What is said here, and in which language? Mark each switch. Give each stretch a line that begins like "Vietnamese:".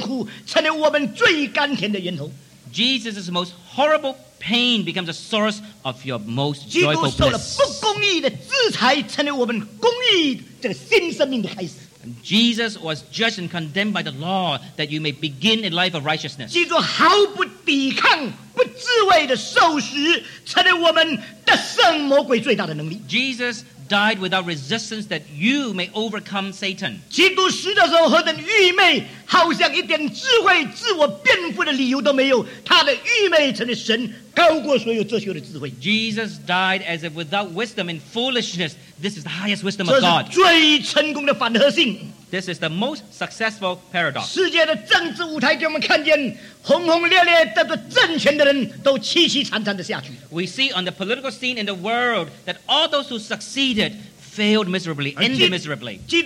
Chinese: 基督受最可怕的痛苦成了我们最甘甜的源头。
English: Jesus' most horrible pain becomes the source of your most joyful bliss.
Chinese: 基督受了不公义的制裁成了我们公义这个新生命的开始。
English: Jesus was judged and condemned by the law that you may begin a life of righteousness.
Chinese: 基督毫不抵抗不自卫的受死成了我们得胜魔鬼最大的能力。
English: Jesus died without resistance that you may overcome Satan.
Chinese: 基督死的时候何等愚昧，好像一点智慧、自我辩护的理由都没有。他的愚昧成了神高过所有哲学的智慧。
English: Jesus died as if without wisdom and foolishness. This is the highest wisdom of God.
Chinese: 这是最成功的反合性。
English: This is the most successful paradox.
Chinese: 世界的政治舞台给我们看见，轰轰烈烈得到政权的人都凄凄惨惨的下去。
English: We see on the political scene in the world that all those who succeeded failed miserably, ended miserably.